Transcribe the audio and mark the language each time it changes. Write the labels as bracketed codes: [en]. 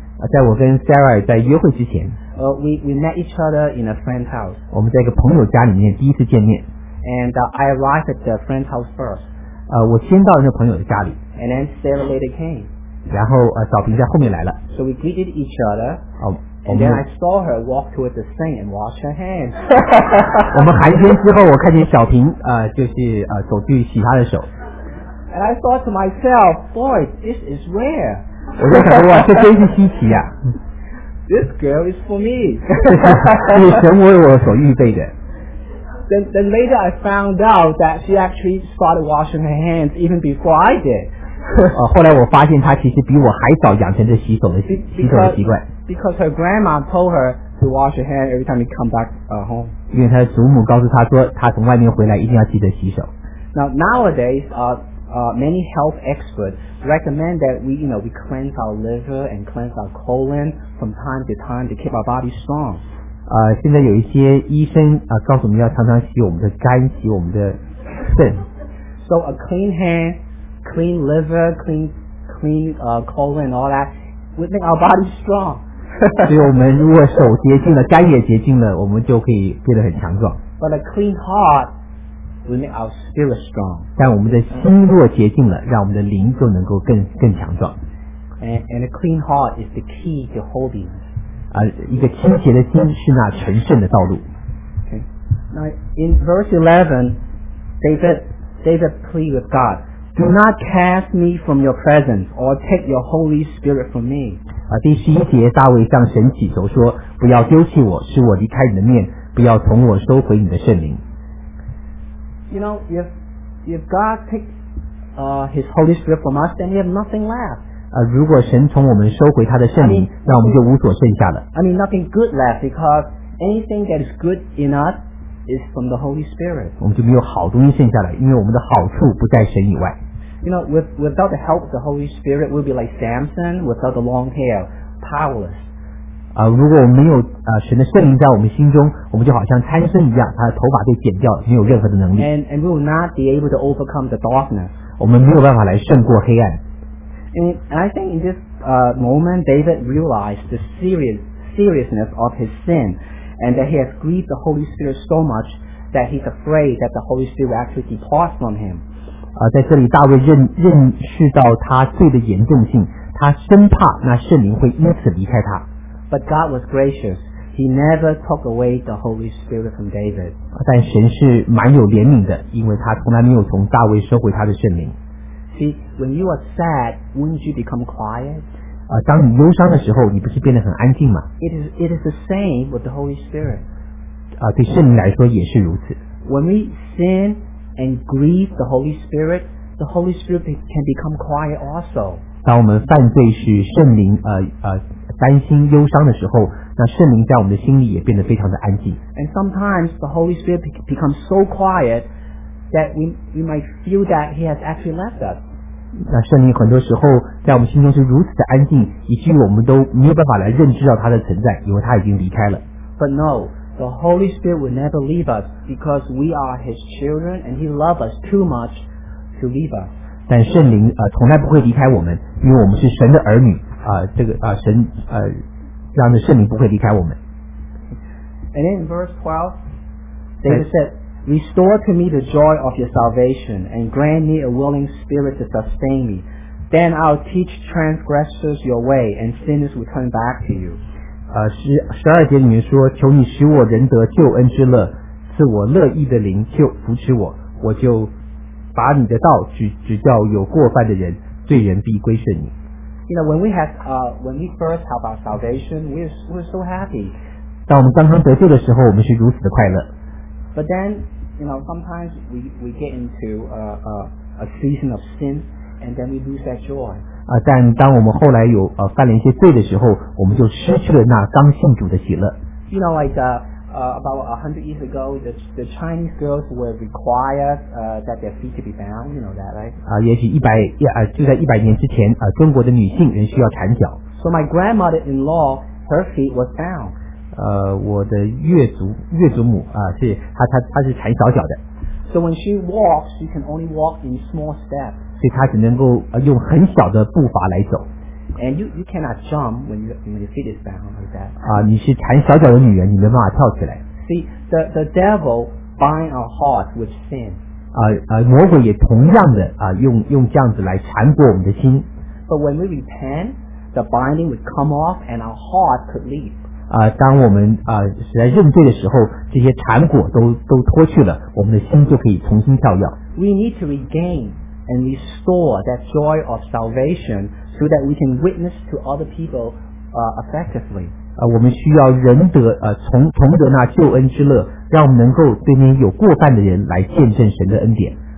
[zh] 在我跟 Sarah 在约会之前， [en] we met each other in a friend's house. [zh] 我们在一个朋友家里面第一次见面。 [en] And I arrived at the friend's house first. [zh] 我先到那个朋友的家里。 [en] And then Sarah later came. [zh] 然后小平在后面来了。 [en] So we greeted each other. And then I saw her walk towards the sink and wash her hands. [zh] 我们寒暄之后，我看见小平走去洗她的手。 [en] And I thought to myself, boy, this is rare. [zh] 我就想说，哇，这真是稀奇啊。 [en] This girl is for me. [zh] 这全为我所预备的。 [en] Then later I found out that she actually started washing her hands even before I did. [zh] 后来我发现她其实比我还早养成这洗手的习惯。 [en] Because her grandma told her to wash her hand every time you come back home. [zh] 因为她的祖母告诉她说，她从外面回来一定要记得洗手。 [en] Now nowadays, many health experts recommend that we cleanse our liver and cleanse our colon from time to time to keep our body strong. [zh] 现在有一些医生告诉我们要常常洗我们的肝，洗我们的肾。 [en] So a clean hand. Clean liver, clean colon, all that would make our body strong. [zh] 所以我们如果手洁净了，肝也洁净了，我们就可以变得很强壮。 [en] But a clean heart would make our spirit strong. [zh] 但我们的心若洁净了，让我们的灵就能够更强壮。 [en] And a clean heart is the key to holiness. [zh] 一个清洁的心是那成圣的道路。 [en] Okay. Now in verse 11, David plead with God. Do not cast me from your presence, or take your Holy Spirit from me. [zh] 第十一节，大卫向神祈求说：“不要丢弃我，使我离开你的面，不要从我收回你的圣灵。” [en] You know, if God takes His Holy Spirit from us, then we have nothing left. [zh] 如果神从我们收回他的圣灵，那我们就无所剩下了。 [en] I mean, nothing good left because anything that is good in us. Is from the Holy Spirit. [zh] 我们就没有好东西剩下来，因为我们的好处不在神以外。 [en] You know, without the help of the Holy Spirit, we'll be like Samson without the long hair, powerless. [zh] 如果我们没有神的圣灵在我们心中，我们就好像参孙一样，他的头发被剪掉，没有任何的能力。 [en] And we will not be able to overcome the darkness. [zh] 我们没有办法来胜过黑暗。 [en] And I think in this moment, David realized the seriousness of his sin. And that he has grieved the Holy Spirit so much that he's afraid that the Holy Spirit will actually depart from him. [zh] 在这里大卫认识到他罪的严重性，他生怕那圣灵会因此离开他。 [en] But God was gracious; He never took away the Holy Spirit from David. [zh] 但神是蛮有怜悯的，因为他从来没有从大卫收回他的圣灵。 [en] See, when you are sad, wouldn't you become quiet? [zh] 当你忧伤的时候，你不是变得很安静吗？ [en] It is the same with the Holy Spirit. [zh] 对圣灵来说也是如此。 [en] When we sin and grieve the Holy Spirit can become quiet also. [zh] 当我们犯罪是圣灵担心忧伤的时候，那圣灵在我们的心里也变得非常的安静。 [en] And sometimes the Holy Spirit becomes so quiet that we might feel that He has actually left us. [zh] 那圣灵很多时候在我们心中是如此的安静，以至于我们都没有办法来认知到他的存在，因为他已经离开了。 [en] But no, the Holy Spirit will never leave us because we are His children and He loves us too much to leave us. [zh] 但圣灵从来不会离开我们，因为我们是神的儿女神让着圣灵不会离开我们。 [en] And in verse 12, David said,Restore to me the joy of your salvation, and grant me a willing spirit to sustain me. Then I'll teach transgressors your way, and sinners will turn back to you. [zh] 十二节里面说，求你使我仁得救恩之乐，赐我乐意的灵救扶持我，我就把你的道指教有过犯的人，罪人必归顺你。 [en] You know, when we first have our salvation, we're so happy. [zh] 当我们刚刚得救的时候，我们是如此的快乐。 [en] But then, you know, sometimes we get into a season of sin, and then we lose that joy. [zh] 但当我们后来有犯了一些罪的时候，我们就失去了那刚信主的喜乐。 [en] You know, like about 100 years ago, the Chinese girls were required that their feet to be bound. You know that, right? [zh] 也许就在100年之前，中国的女性仍需要缠脚。 [en] So my grandmother-in-law, her feet was bound. [zh] 我的岳祖母是她是缠小脚的。 [en] So when she walks, she can only walk in small steps. [zh] 所以她只能够用很小的步伐来走。 [en] And you cannot jump when your feet is bound like that. [zh] 你是缠小脚的女人，你没办法跳起来。 [en] See, the devil bind our heart with sin. [zh] 魔鬼也同样的用这样子来缠过我们的心。 [en] But when we repent, the binding would come off and our heart could leap. [zh] 当我们是在认罪的时候，这些缠果都脱去了，我们的心就可以重新跳跃。 [en] We need to regain and restore that joy of salvation. So that we can witness to other people effectively. [zh] 我们需要仁得重得那救恩之乐，让我们能够对那有过犯的人来见证神的恩典。